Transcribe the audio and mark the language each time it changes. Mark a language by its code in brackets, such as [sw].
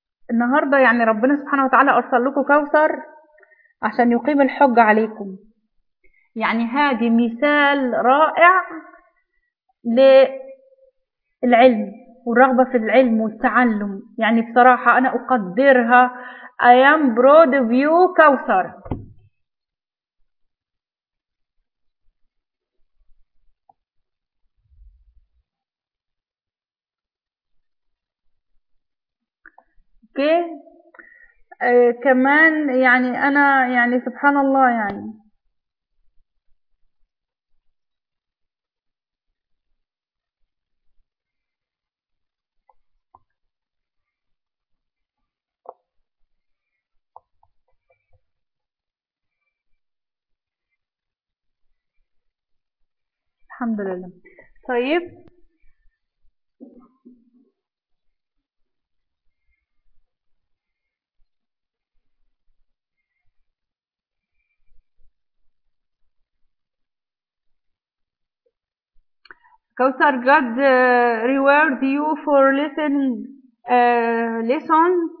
[ar] النهاردة يعني ربنا سبحانه وتعالى أرسل لكم كوثر عشان يقيم الحج عليكم. يعني هذه مثال رائع للعلم والرغبة في العلم والتعلم. يعني بصراحة أنا أقدرها. [en] I am proud of you Kawthar. [ar] اوكي. كمان يعني انا يعني سبحان الله، يعني الحمد لله. طيب كوثر، [en] God reward you for listening lesson.